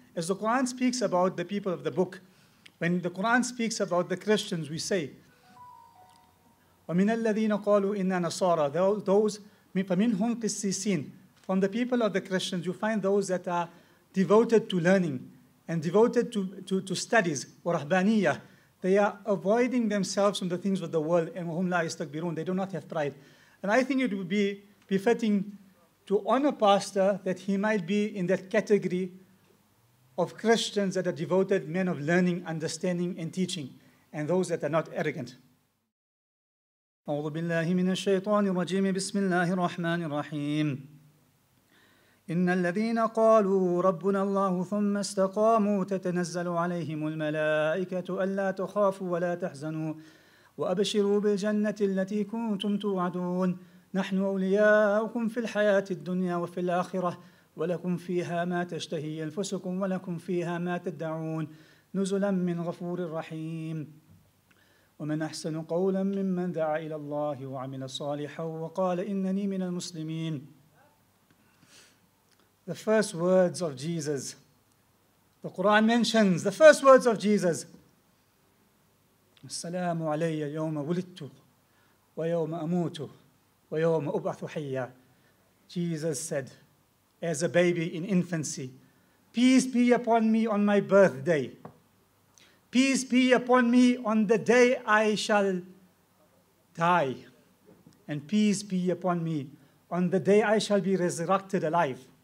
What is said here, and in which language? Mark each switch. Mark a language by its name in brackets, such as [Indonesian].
[English] As the Quran speaks about the people of the book, when the Quran speaks about the Christians, we say, [Arabic] وَمِنَ الَّذِينَ قَالُوا إِنَّا نَصَارَى, [English] those [Arabic] فَمِنْهُمْ قِسِّسِينَ, [English] from the people of the Christians, you find those that are devoted to learning and devoted to studies, [Arabic] ورَحْبَانِيَّ, [English] they are avoiding themselves from the things of the world, and [Arabic] وَهُمْ لَا يَسْتَكْبِرُونَ, [English] they do not have pride. And I think it would be befitting to honor Pastor that he might be in that category of Christians that are devoted men of learning, understanding, and teaching, and those that are not arrogant. [Arabic] أعوذ بالله من الشيطان الرجيم بسم الله الرحمن الرحيم إن الذين قالوا ربنا الله ثم استقاموا تتنزل عليهم الملائكة ألا تخافوا ولا تحزنوا وأبشروا بالجنة التي كنتم توعدون نحن أولياؤكم في الحياة الدنيا وفي الآخرة ولكم فيها ما تشتهي أنفسكم ولكم فيها ما تدعون نزلا من غفور رحيم ومن أحسن قولا ممن دعا إلى الله وعمل صالحا وقال إنني من المسلمين. [English] The first words of Jesus. The Quran mentions the first words of Jesus. [Arabic] السلام علي يوم ولدت ويوم أموت ويوم أبعث حيا. [English] Jesus said, as a baby in infancy, peace be upon me on my birthday. Peace be upon me on the day I shall die. And peace be upon me on the day I shall be resurrected alive.